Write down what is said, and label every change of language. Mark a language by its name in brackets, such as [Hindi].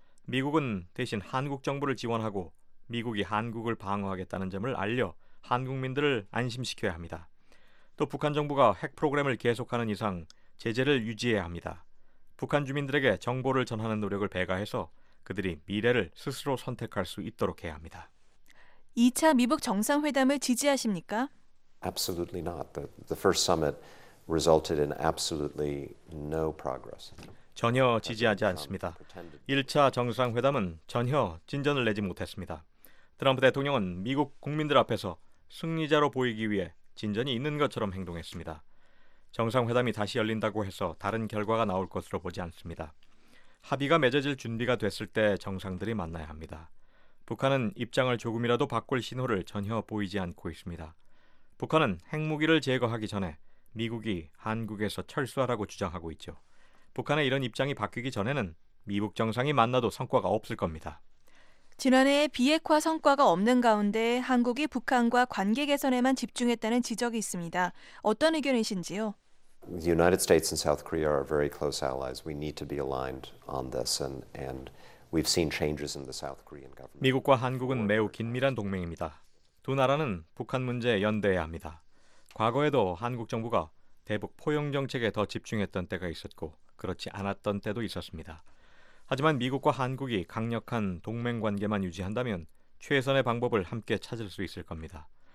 [Korean] 미국은 대신 한국 정부를 지원하고 미국이 한국을 방어하겠다는 점을 알려 한국민들을 안심시켜야 합니다. 또 북한 정부가 핵 프로그램을 계속하는 이상 제재를 유지해야 합니다. 북한 주민들에게 정보를 전하는 노력을 배가해서 그들이 미래를 스스로 선택할 수 있도록 해야 합니다. 2차 미북 정상회담을 지지하십니까? [English] Absolutely not. The first summit resulted in absolutely no progress. [Korean] 전혀 지지하지 않습니다. 1차 정상회담은 전혀 진전을 내지 못했습니다. 트럼프 대통령은 미국 국민들 앞에서 승리자로 보이기 위해 진전이 있는 것처럼 행동했습니다. 정상회담이 다시 열린다고 해서 다른 결과가 나올 것으로 보지 않습니다. 합의가 맺어질 준비가 됐을 때 정상들이 만나야 합니다. 북한은 입장을 조금이라도 바꿀 신호를 전혀 보이지 않고 있습니다. 북한은 핵무기를 제거하기 전에 미국이 한국에서 철수하라고 주장하고 있죠. 북한의 이런 입장이 바뀌기 전에는 미북 정상이 만나도 성과가 없을 겁니다. 지난해 비핵화 성과가 없는 가운데 한국이 북한과 관계 개선에만 집중했다는 지적이 있습니다. 어떤 의견이신지요? The United States and South Korea are very close allies. We need to be aligned on this and we've seen changes in the South Korean government. 미국과 한국은 매우 긴밀한 동맹입니다. 두 나라는 북한 문제에 연대해야 합니다. 과거에도 한국 정부가 대북 포용 정책에 더 집중했던 때가 있었고 그렇지 않았던 때도 있었습니다. 하지만 미국과 한국이 강력한 동맹 관계만 유지한다면 최선의 방법을 함께 찾을 수 있을 겁니다.